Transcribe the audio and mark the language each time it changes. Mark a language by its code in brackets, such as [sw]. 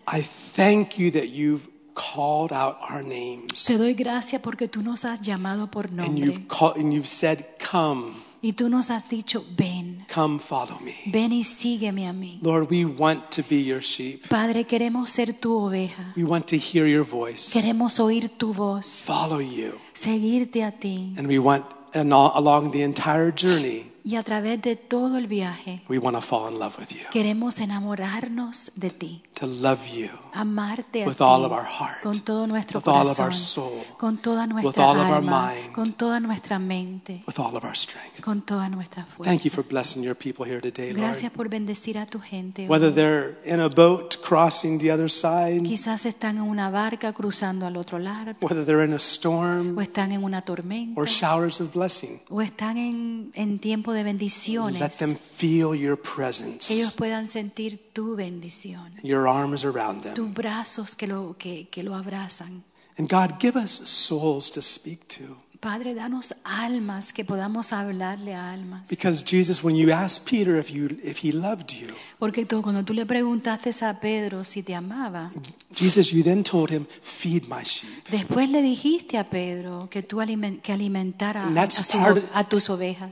[en] I thank you that you've called out our names. [es] Te doy gracias porque tú nos has llamado por nombre. [en] And you've called, and you've said, come. [es] Y tú nos has dicho, ven. [en] Come, follow me. [es] Ven y sígueme a mí. [en] Lord, we want to be your sheep. [es] Padre, queremos ser tu oveja. [en] We want to hear your voice. [es] Queremos oír tu voz. [en] Follow you. [es] Seguirte a ti. [en] And we want, and all, along the entire journey, [es] y a través de todo el viaje, [en] we want to fall in love with you. [es] Queremos enamorarnos de ti. [en] To love you. [es] Amarte [en] with [es] a ti. [en] All of our heart. [es] Con todo nuestro [en] with [es] corazón, [en] all of our soul. [es] Con toda nuestra [en] with all [es] alma, [en] of our mind. [es] Con toda nuestra mente, [en] with all of our strength. [es] Con toda nuestra fuerza. [en] Thank you for blessing your people here today, Lord. [es] Gracias por bendecir a tu gente, [en] whether they're in a boat crossing the other side. [es] Quizás están en una barca cruzando al otro lado, [en] whether they're in a storm. [es] O están en una tormenta, [en] or showers of blessing. [es] O están en tiempo de bendiciones. [en] Let them feel your presence. [es] Que ellos puedan sentir tu bendición. [en] Your arms around them. [es] Tus brazos que lo abrazan. [en] And God, give us souls to speak to. [es] Padre, danos almas que podamos hablarle a almas. [en] Because Jesus, when you asked Peter if he loved you. [es] Porque tú, cuando tú le preguntaste a Pedro si te amaba. [en] Jesus, you then told him, feed my sheep. [es] Después le dijiste a Pedro que tú alimentara a tus ovejas.